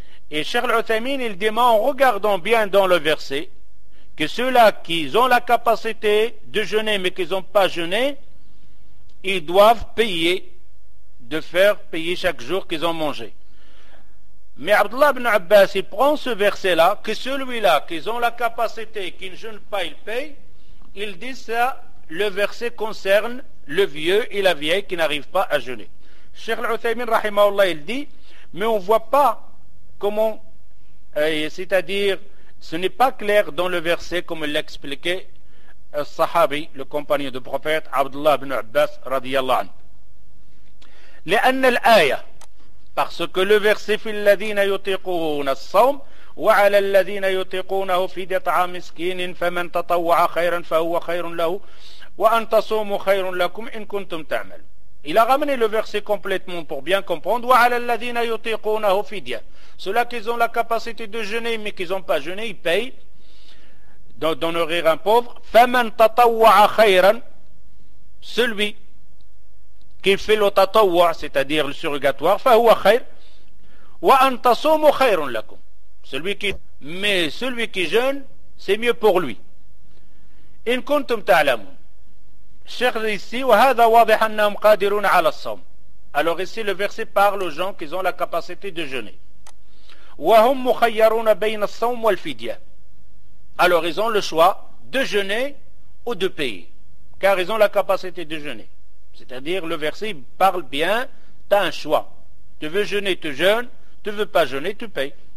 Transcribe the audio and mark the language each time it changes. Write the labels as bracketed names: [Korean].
[French] Et Cheikh Al-Uthaymin, il dément en regardant bien dans le verset, que ceux-là qui ont la capacité de jeûner, mais qu'ils n'ont pas jeûné, ils doivent payer, de faire payer chaque jour qu'ils ont mangé. Mais Abdullah ibn Abbas, il prend ce verset-là, que celui-là, qu'ils ont la capacité, qu'ils ne jeûnent pas, ils payent. Il dit ça, le verset concerne le vieux et la vieille qui n'arrivent pas à jeûner. Cheikh Al-Uthaymin, rahimahullah, il dit, mais on ne voit pas comment, c'est-à-dire, ce n'est pas clair dans le verset comme il l'a expliqué, [Arabic] الصحابي [French] لكمبانيو دو بروفيت [Arabic] عبد الله بن عباس رضي الله عنه لان الايه [French] باسكو لو فيرسي [Arabic] في الذين يطيقون الصوم وعلى الذين يطيقونه فدية طعام مسكين فمن تطوع خيرا فهو خير له وان تصوموا خير لكم ان كنتم تعملون. [French] Il a ramené le verset complètement pour bien comprendre. [Arabic] وَعَلَى الَّذِينَ يُطِيقُونَهُ فِدْيَةٌ. [French] Ceux-là qui ont la capacité de jeûner mais qui n'ont pas jeûné, ils payent d'honorer un pauvre. [Arabic] فَمَنْ تَطَوَّعَ خَيْرًا. [French] Celui qui fait le tatawwa, c'est-à-dire le surrogatoire, [Arabic] فَهُوَ خَيْرٌ وَأَنْ تَصُومُ خَيْرٌ لَكُمْ. [French] Celui qui jeûne, c'est mieux pour lui. [Arabic] إِنْ كُنْتُمْ تَعْلَمُونَ. [French] Cheikh ici, [Arabic] وَهَذَا وَاضِحَ أَنَّهُمْ قَادِرُونَ عَلَى الصَّوْمِ. [French] Alors ici, le verset parle aux gens qui ont la capacité de jeûner. [Arabic] وَهُمْ مُخَيَّرُونَ بَيْنَ الصَّوْمِ وَالْفِدْيَةِ. [French] Alors ils ont le choix de jeûner ou de payer, car ils ont la capacité de jeûner. C'est-à-dire, le verset parle bien, tu as un choix. Tu veux jeûner, tu jeûnes, tu ne veux pas jeûner, tu payes.